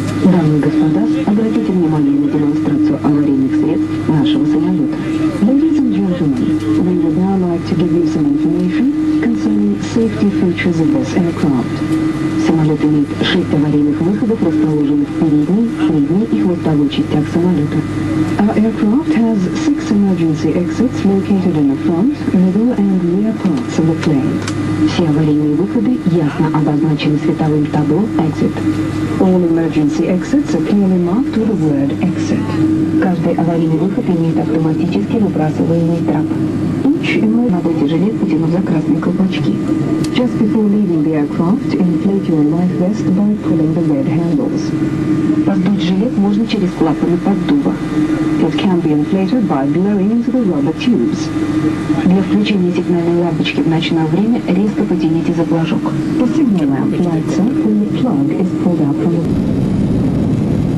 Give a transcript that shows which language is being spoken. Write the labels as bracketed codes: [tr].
[ru] Дамы и господа, обратите внимание на демонстрацию аварийных средств нашего самолета. [en] Ladies and gentlemen, we would now like to give you some information concerning safety features of this aircraft. [ru] Самолет имеет 6 аварийных выходов, расположенных в передней и хвостовой частях самолета. [en] Our aircraft has 6 emergency exits located in the front, middle and rear parts of the plane. [ru] Все аварийные выходы ясно обозначены световым табло «Exit». [en] All emergency exits are clearly marked with the word «Exit». [ru] Каждый аварийный выход имеет автоматически выбрасываемый трап. И мы на эти жилет потянув за красные колпачки. [en] Just before leaving the aircraft, inflate your life vest by pulling the red handles. [ru] Раздуть жилет можно через клапаны поддува. [en] It can be inflated by blowing into the rubber tubes. [ru] Для включения сигнальной лампочки в ночное время резко потяните за флажок. [en] The signal lamp lights up when the plug is pulled out from the...